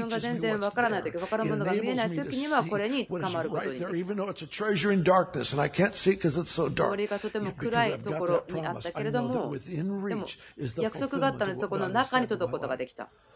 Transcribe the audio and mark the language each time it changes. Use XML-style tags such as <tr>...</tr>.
<ja>自分が全然わからないとき、わからものが見えないときにはこれに捕まることにできる。</ja> <en>Even though it's a treasure in darkness and I can't see because it's so dark.</en> <ja>森がとても暗いところにあったけれども、でも約束があったのでそこの中に届くことができた。</ja>